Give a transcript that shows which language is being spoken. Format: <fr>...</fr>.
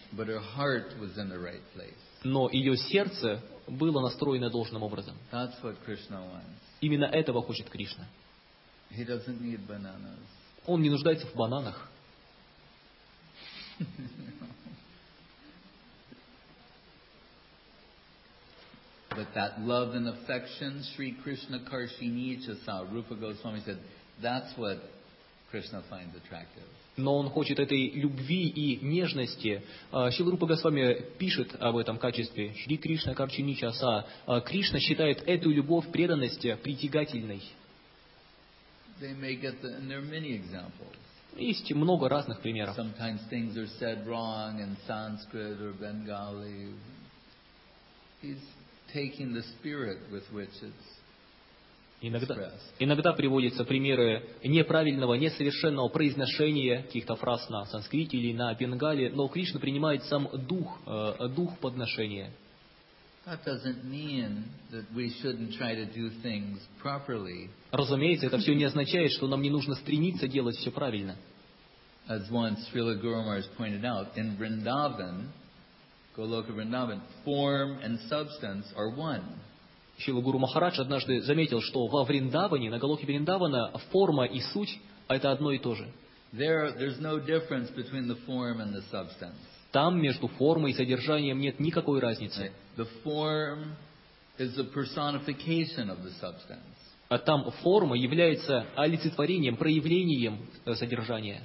<en>But her heart was in the right place.</en> <ru>Но ее сердце было настроено должным образом.</ru> <en>That's what Krishna wants.</en> <ru>Именно этого хочет Кришна.</ru> <en>He doesn't need bananas.</en> <ru>Он не нуждается в бананах.</ru> <en>But that love and affection, Sri Krishna Karshini Chasa, Rupa Goswami said, that's what Krishna finds attractive.</en> <ru>Но он хочет этой любви и нежности. Шрила Рупа Госвами пишет об этом качестве. Шри Кришна Карчини Часа. Кришна считает эту любовь преданности притягательной.</ru> <en>They may get the, and there are many examples.</en> <ru>Есть много разных примеров.</ru> <en>Sometimes things are said wrong in Sanskrit or Bengali. Taking the spirit with which it's expressed.</en> <ru>Иногда приводятся примеры неправильного, несовершенного произношения каких-то фраз на санскрите или на бенгале, но Кришна принимает сам дух, дух подношения.</ru> <en>That doesn't mean that we shouldn't try to do things properly.</en> <ru>Разумеется, это все не означает, что нам не нужно стремиться делать все правильно.</ru> <en>As once Srila Guru Maharaj pointed out, in Vrindavan, Голока Вриндаван, form and substance are one.</en> <ru>Шрила Гуру Махарадж однажды заметил, что во Вриндаване, на Голоке Вриндавана, форма и суть – это одно и то же.</ru> <en>There's no difference between the form and the substance.</en> <ru>Там между формой и содержанием нет никакой разницы.</ru> <en>The form is the personification of the substance.</en> <ru>А там форма является олицетворением, проявлением содержания.</ru>